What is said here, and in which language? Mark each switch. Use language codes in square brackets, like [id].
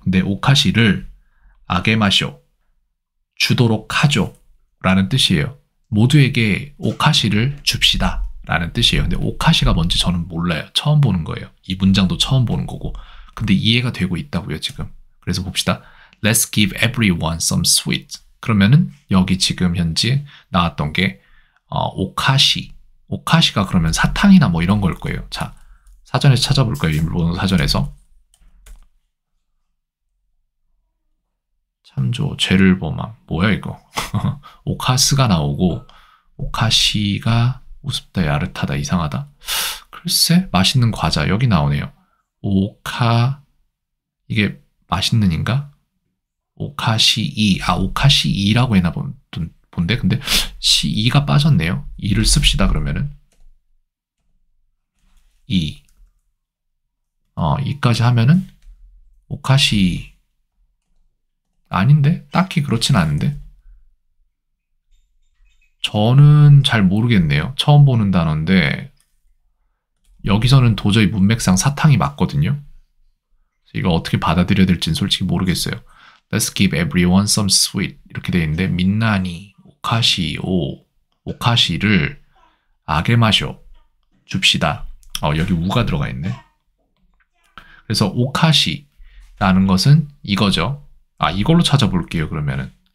[ko] 근데 오카시를 아게마쇼, 주도록 하죠. 라는 뜻이에요. 모두에게 오카시를 줍시다. 라는 뜻이에요. 근데 오카시가 뭔지 저는 몰라요. 처음 보는 거예요. 이 문장도 처음 보는 거고. 근데 이해가 되고 있다고요, 지금. 그래서 봅시다. [en] Let's give everyone some sweet. [ko] 그러면은 여기 지금 현재 나왔던 게 오카시. 오카시가 그러면 사탕이나 뭐 이런 걸 거예요. 자, 사전에서 찾아볼까요? 일본어 사전에서. 참조, 죄를 범함. 뭐야 이거? 오카스가 나오고 오카시가 우습다, 야릇하다, 이상하다. 글쎄, 맛있는 과자 여기 나오네요. 오카, 이게 맛있는인가? 오카시이, 아, 오카시이라고 했나 본데? 근데, 시이가 빠졌네요. 이를 씁시다, 그러면은. 이. 이까지 하면은, 오카시이. 아닌데? 딱히 그렇진 않은데? 저는 잘 모르겠네요. 처음 보는 단어인데, 여기서는 도저히 문맥상 사탕이 맞거든요? 이거 어떻게 받아들여야 될지는 솔직히 모르겠어요. [en] Let's give everyone some sweet. [ko] 이렇게 돼 있는데, [ja] 민나니, 오카시오, [ko] 오카시를 아게 마쇼. 줍시다. 여기 우가 들어가 있네. 그래서 오카시라는 것은 이거죠. 아, 이걸로 찾아볼게요, 그러면은.